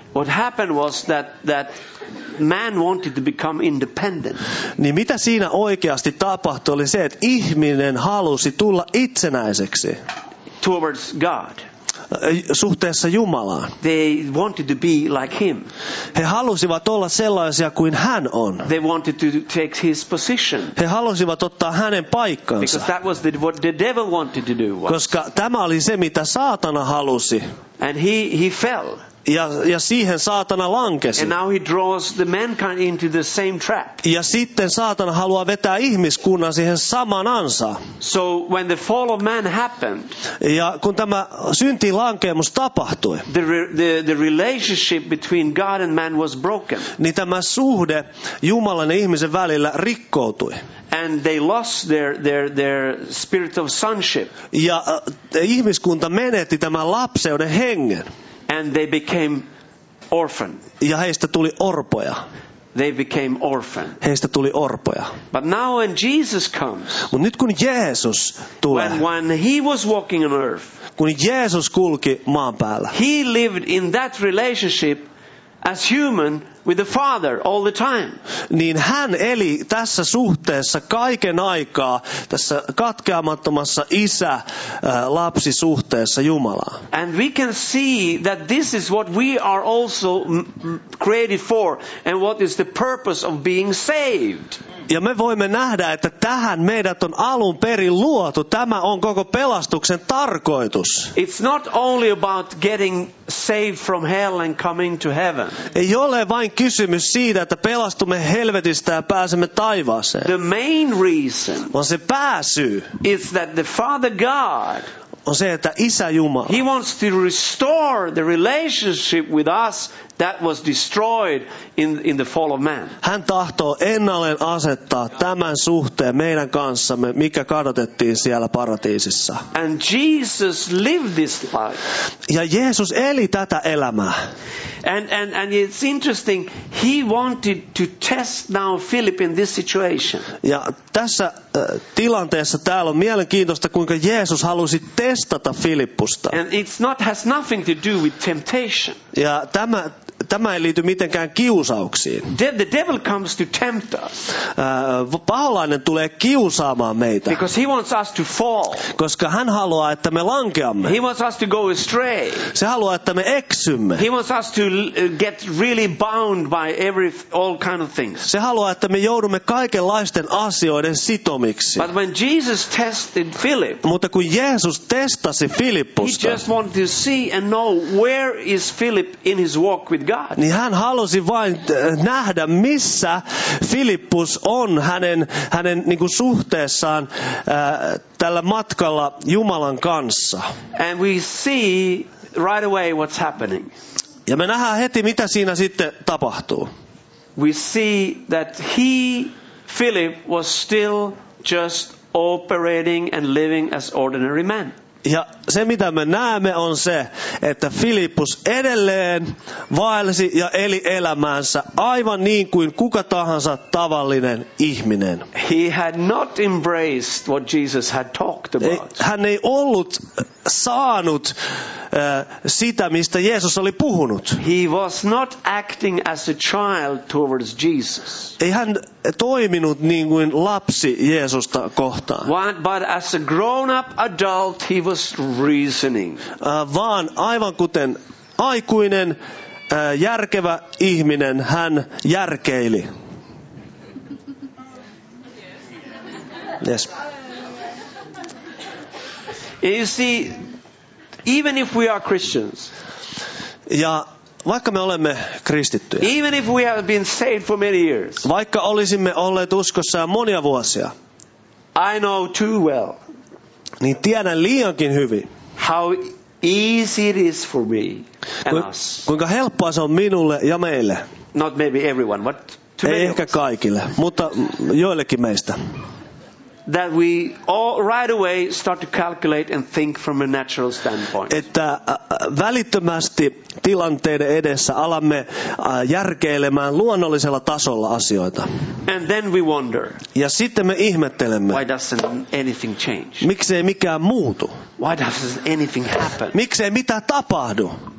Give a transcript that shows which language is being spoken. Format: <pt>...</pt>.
<en>What happened was that man wanted to become independent.</en> <fi>Niin mitä siinä oikeasti tapahtui oli se, että ihminen halusi tulla itsenäiseksi.</fi> <en>Towards God.</en> <fi>Suhteessa Jumalaan.</fi> <en>They wanted to be like him.</en> <fi>He halusivat olla sellaisia kuin hän on.</fi> <en>They wanted to take his position.</en> <fi>He halusivat ottaa hänen paikkansa.</fi> <en>Because that was what the devil wanted to do.</en> <fi>Koska tämä oli se, mitä saatana halusi.</fi> <en>And he fell.</en> <fi>Ja siihen saatana lankesi.</fi> <en>And now he draws the mankind into the same trap.</en> <fi>Ja sitten saatana haluaa vetää ihmiskunnan siihen saman ansaan.</fi> <en>So when the fall of man happened.</en> <fi>Ja kun tämä syntiin lankeemus tapahtui.</fi> <en>The relationship between God and man was broken.</en> <fi>Niin tämä suhde Jumalan ja ihmisen välillä rikkoutui.</fi> <en>And they lost their spirit of sonship.</en> <fi>Ja ihmiskunta menetti tämän lapseuden hengen.</fi> <en>And they became orphan.</en> <fi>Ja heistä tuli orpoja.</fi> <en>They became orphan.</en> <fi>Heistä tuli orpoja.</fi> <en>But now when Jesus comes.</en> <fi>Mut nyt kun Jeesus tulee.</fi> <en>When he was walking on earth.</en> <fi>Kun Jeesus kulki maan päällä.</fi> <en>He lived in that relationship as human with the Father all the time.</en> <fi>Niin hän eli tässä suhteessa kaiken aikaa, tässä katkeamattomassa isä lapsi suhteessa Jumalaan.</fi> <en>And we can see that this is what we are also created for and what is the purpose of being saved.</en> <fi>Ja me voimme nähdä, että tähän meidät on alun perin luotu. Tämä on koko pelastuksen tarkoitus.</fi> <en>It's not only about getting saved from hell and coming to heaven.</en> <fi>Ei ole vain kysymys siitä, että pelastumme helvetistä ja pääsemme taivaaseen.</fi> <en>The main reason.</en> <fi>On se pääsyy.</fi> <en>Is that the Father God.</en> <fi>On se, että Isä Jumala.</fi> <en>He wants to restore the relationship with us that was destroyed in the fall of man.</en> <fi>Hän tahtoo ennalleen asettaa tämän suhteen meidän kanssamme, mikä kadotettiin siellä paratiisissa.</fi> <en>And Jesus lived this life.</en> <fi>Ja Jeesus eli tätä elämää.</fi> <en>And it's interesting, he wanted to test now Philip in this situation.</en> <fi>Ja tässä tilanteessa täällä on mielenkiintoista, kuinka Jeesus halusi testata Filippusta.</fi> <en>And it's not has nothing to do with temptation.</en> <fi>Ja tämä ei liity mitenkään kiusauksiin.</fi> <en>The devil comes to tempt us.</en> <fi>Paholainen tulee kiusaamaan meitä.</fi> <en>Because he wants us to fall.</en> <fi>Koska hän haluaa, että me lankeamme.</fi> <en>He wants us to go astray.</en> <fi>Se haluaa, että me eksymme.</fi> <en>He wants us to get really bound by all kind of things.</en> <fi>Se haluaa, että me joudumme kaikenlaisten asioiden sitomiksi.</fi> <en>But when Jesus tested Philip.</en> <fi>Mutta kun Jeesus testasi Filippusta.</fi> <en>He just wanted to see and know where is Philip in his walk with God.</en> <fi>Niin hän halusi vain nähdä, missä Filippus on hänen niin kuin suhteessaan tällä matkalla Jumalan kanssa.</fi> <en>And we see right away what's happening.</en> <fi>Ja me nähdään heti, mitä siinä sitten tapahtuu.</fi> <en>We see that he, Philip, was still just operating and living as ordinary man.</en> <fi>Ja se, mitä me näemme, on se, että Filippus edelleen vaelsi ja eli elämäänsä aivan niin kuin kuka tahansa tavallinen ihminen.</fi> <en>He had not embraced what Jesus had talked about.</en> <fi>Hän ei ollut saanut sitä, mistä Jeesus oli puhunut.</fi> <en>He was not acting as a child towards Jesus.</en> <fi>Ei hän toiminut niin kuin lapsi Jeesusta kohtaan.</fi> <en>But as a grown-up adult, he was reasoning.</en> <fi>Vaan aivan kuten aikuinen, järkevä ihminen, hän järkeili.</fi> <en>Yes. You see, even if we are Christians.</en> <fi>Ja vaikka me olemme kristittyjä.</fi> <en>Even if we have been saved for many years.</en> <fi>Vaikka olisimme olleet uskossa monia vuosia.</fi> <en>I know too well.</en> <fi>Niin tiedän liiankin hyvin.</fi> <en>How easy it is for me and us.</en> <fi>Kuinka helppoa se on minulle ja meille.</fi> <en>Not maybe everyone, but to</en> <fi>ehkä kaikille, mutta joillekin meistä.</fi> <en>that we all right away start to calculate and think from a natural standpoint.</en> <fi>Että välittömästi tilanteiden edessä alamme järkeilemään luonnollisella tasolla asioita.</fi> <en>And then we wonder.</en> <fi>Ja sitten me ihmettelemme.</fi> <en>Why doesn't anything change?</en> <fi>Miksei mikään muutu?</fi> <en>Why doesn't anything happen?</en> <fi>Miksei mitään tapahdu?</fi>